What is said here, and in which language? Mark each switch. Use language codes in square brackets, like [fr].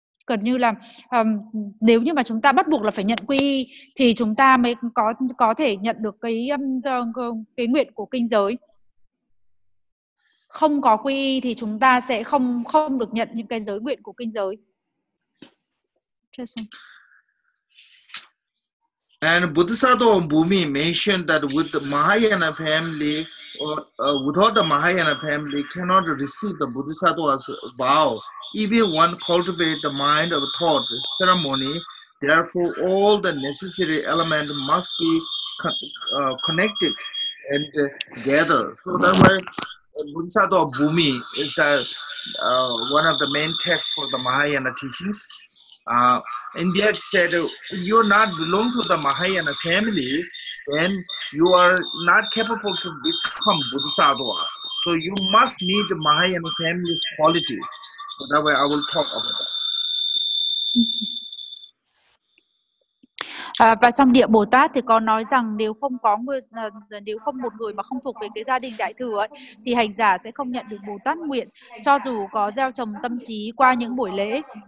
[vi] gần như là nếu như mà chúng ta bắt buộc là phải nhận quy y thì chúng ta mới có thể nhận được cái nguyện của kinh giới. Không có quy y thì chúng ta sẽ không được nhận những cái giới nguyện của kinh giới. [en] And Bodhisattva Bhumi mentioned that with the Mahayana family or without the Mahayana family cannot receive the Bodhisattva's vow. Even one cultivate the mind of thought ceremony, therefore all the necessary elements must be connected and together. So that's why Bodhisattva Bhumi is that one of the main texts for the Mahayana teachings. And that said, you are not belong to the Mahayana family, then you are not capable to become Bodhisattva. So you must need the Mahayana family's qualities. So that way I will talk about that. [vi] Và trong địa Bồ Tát thì có nói rằng nếu không có nếu không một người mà không thuộc về cái gia đình đại thừa ấy, thì hành giả sẽ không nhận được Bồ Tát nguyện cho dù có gieo trồng tâm trí qua những buổi lễ.